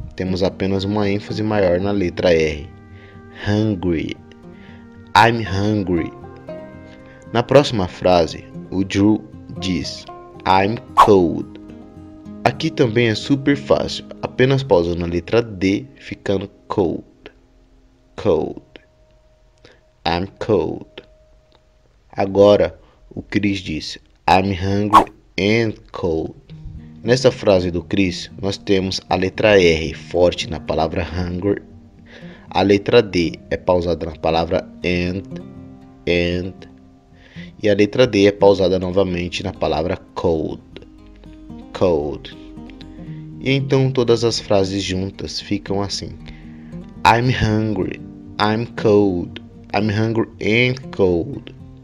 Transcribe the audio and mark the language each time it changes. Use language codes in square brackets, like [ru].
[pt] Temos apenas uma ênfase maior na letra R. Hungry. [en] I'm hungry. [pt] Na próxima frase, o Drew diz: [en] I'm cold. [pt] Aqui também é super fácil, apenas pausando a letra D, ficando cold. [en] Cold. I'm cold. [pt] Agora, o Chris diz: [en] I'm hungry and cold. [pt] Nessa frase do Chris, nós temos a letra R forte na palavra hungry. A letra D é pausada na palavra and. E a letra D é pausada novamente na palavra cold. [en] Cold. [pt] E então todas as frases juntas ficam assim: [en] I'm hungry, I'm cold, I'm hungry and cold.